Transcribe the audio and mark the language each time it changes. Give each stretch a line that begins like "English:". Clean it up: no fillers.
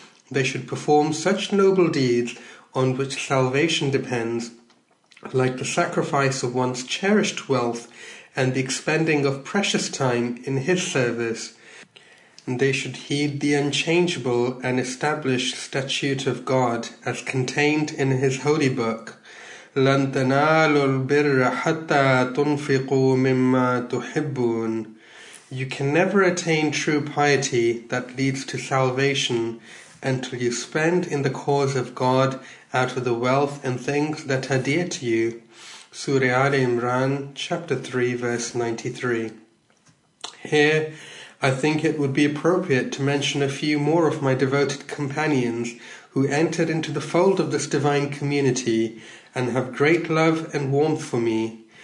English: They should perform such noble deeds on which salvation depends, like the sacrifice of one's cherished wealth and the expending of precious time in his service. They should heed the unchangeable and established statute of God as contained in his holy book,
Arabic: لن تنالوا البر حتى تنفقوا مما تحبون.
English: You can never attain true piety that leads to salvation until you spend in the cause of God out of the wealth and things that are dear to you. Surah Ali Imran, chapter 3, verse 93. Here, I think it would be appropriate to mention a few more of my devoted companions who entered into the fold of this divine community and have great love and warmth for me.